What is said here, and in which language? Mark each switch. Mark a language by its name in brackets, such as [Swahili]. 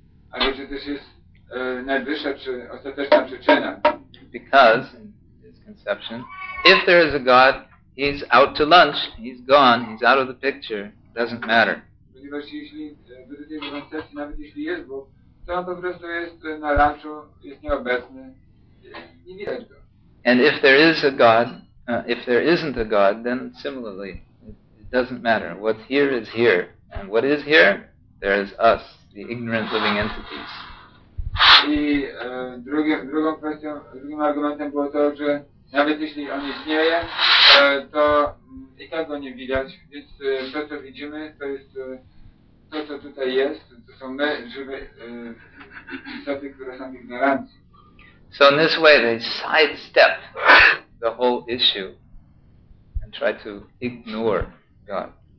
[Polish] Albo czy też jest najwyższa, czy ostateczna przyczyna. [English] Because, in his conception, if there is a God, he's out to lunch, he's gone, he's out of the picture. Doesn't matter. [Polish] Ponieważ jeśli według tej koncepcji, nawet jeśli jest Bóg, to on po prostu jest na lunchu, jest nieobecny, nie widać go. [English] And if there is a God, if there isn't a God, then similarly, it doesn't matter. What's here is here. And what is here? There is us, the ignorant living entities. [Polish] I drugą kwestią, drugim argumentem było to, że nawet jeśli on istnieje, to i tak go nie widać, więc to, co widzimy, to jest to, co tutaj jest, to są my, żywe istoty, które są ignoranci. [English] So in this way they sidestep the whole issue and try to ignore God.